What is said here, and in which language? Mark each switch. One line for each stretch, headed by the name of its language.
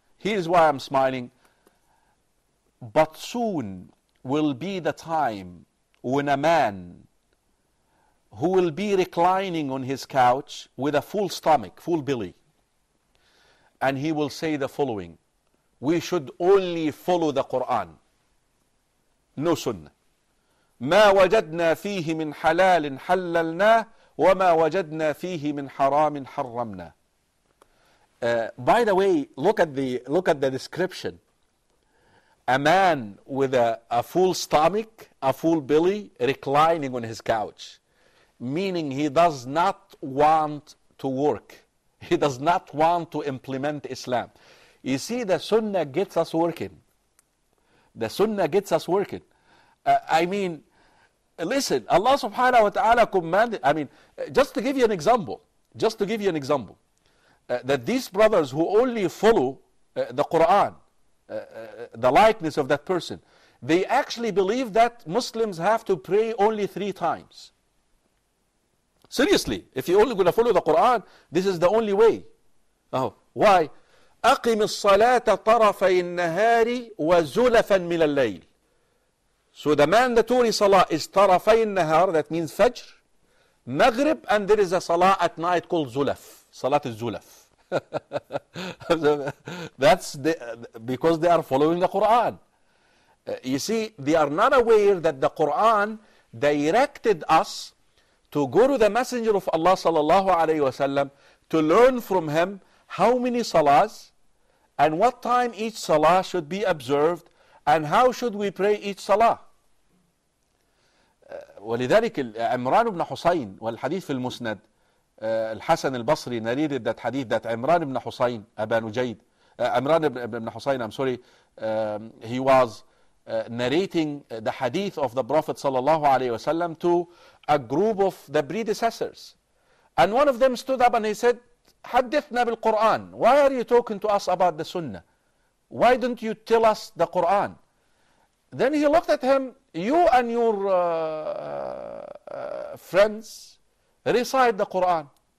English: Here's why I'm smiling. But soon will be the time when a man who will be reclining on his couch with a full stomach, full belly, and he will say the following, we should only follow the Quran, no sunnah.
Arabic: ما وجدنا فيه من حلال حللنا وما وجدنا فيه من حرام حرمنا.
English: By the way, look at the description. A man with a full stomach, a full belly, reclining on his couch, meaning he does not want to work. He does not want to implement Islam. You see, the Sunnah gets us working. The Sunnah gets us working. I mean, listen, Allah subhanahu wa ta'ala commanded. I mean, just to give you an example, that these brothers who only follow the Quran, the likeness of that person, they actually believe that Muslims have to pray only three times. Seriously, if you're only going to follow the Quran, this is the only way. Oh, why?
Arabic: أقم الصلاة طرفي النهار وزلفا من الليل.
English: So the mandatory salah is طرفي النهار, that means Fajr, Maghrib, and there is a salah at night called Zulaf, Salat al-Zulaf. That's the, because they are following the Quran. You see, they are not aware that the Quran directed us to go to the Messenger of Allah sallallahu alayhi wasallam to learn from him how many salahs and what time each salah should be observed and how should we pray each salah. ولذلك عمران بن حسين والحديث في المسند الحسن البصري نريد ذات حديث ذات عمران بن حسين أبا نجيد عمران بن حسين I'm sorry he was narrating the hadith of the Prophet sallallahu alayhi wasallam to a group of the predecessors. And one of them stood up and he said, Hadithna bil Quran. Why are you talking to us about the Sunnah? Why don't you tell us the Quran? Then he looked at him, you and your friends recite the Quran.